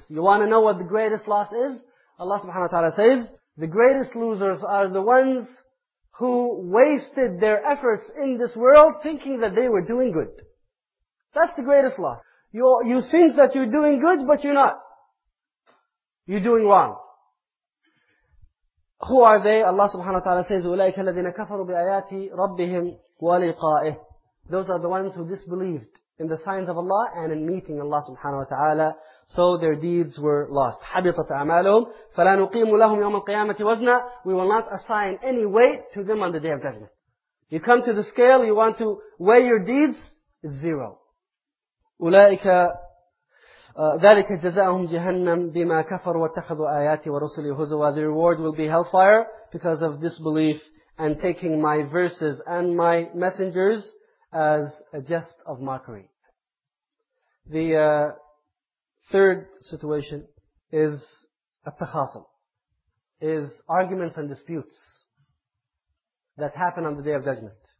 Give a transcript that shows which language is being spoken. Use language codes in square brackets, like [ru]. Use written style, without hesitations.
[en] You want to know what the greatest loss is? Allah subhanahu wa ta'ala says, the greatest losers are the ones who wasted their efforts in this world thinking that they were doing good. That's the greatest loss. You think that you're doing good, but you're not. You're doing wrong. Who are they? Allah subhanahu wa ta'ala says, [ar] أُولَٰئِكَ الَّذِينَ كَفَرُوا بِآيَاتِ رَبِّهِمْ وَلِقَائِهِ. [en] Those are the ones who disbelieved in the signs of Allah and in meeting Allah subhanahu wa ta'ala. So their deeds were lost. [ar] حَبِطَتْ أَعْمَالُهُمْ فَلَا نُقِيمُ لَهُمْ يَوْمَ الْقِيَامَةِ وَزْنًا. [en] We will not assign any weight to them on the Day of Judgment. You come to the scale, you want to weigh your deeds, it's zero. [ar] أُولَٰئِكَ ذلك جزاؤهم جهنم بما كفروا واتخذوا آياتي ورسلي هزوا. [en] The reward will be hellfire because of disbelief and taking my verses and my messengers as a jest of mockery. The third situation is التخاصم is arguments and disputes that happen on the Day of Judgment.